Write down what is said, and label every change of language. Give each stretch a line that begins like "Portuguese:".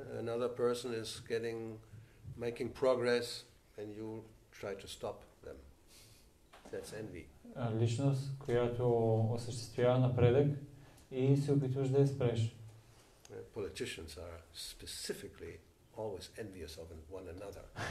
English: Another person is making progress and you try to stop them. That's envy.
Bulgarian: Личност, която осъществява напредък и се опитваш да я спреш.
English: Politicians are specifically always envious of one another.